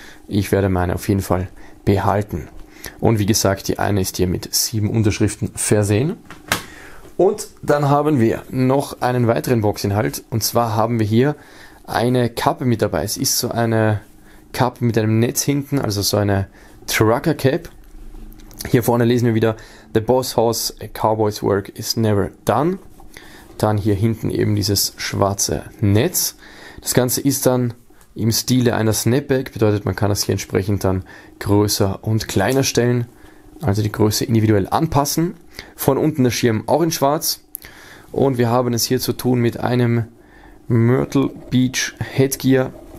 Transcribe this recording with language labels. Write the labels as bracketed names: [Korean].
[German] Ich werde meine auf jeden Fall behalten. Und wie gesagt, die eine ist hier mit sieben Unterschriften versehen. Und dann haben wir noch einen weiteren Boxinhalt. Und zwar haben wir hier eine Kappe mit dabei. Es ist so eine Kappe mit einem Netz hinten, also so eine Trucker Cap. Hier vorne lesen wir wieder [English] The Boss Hoss, A Cowboy's Work is Never Done. [German] Dann hier hinten eben dieses schwarze Netz. Das Ganze ist dann im Stile einer Snapback, bedeutet, man kann das hier entsprechend dann größer und kleiner stellen, also die Größe individuell anpassen. Von unten der Schirm auch in schwarz. Und wir haben es hier zu tun mit einem Myrtle Beach Headgear.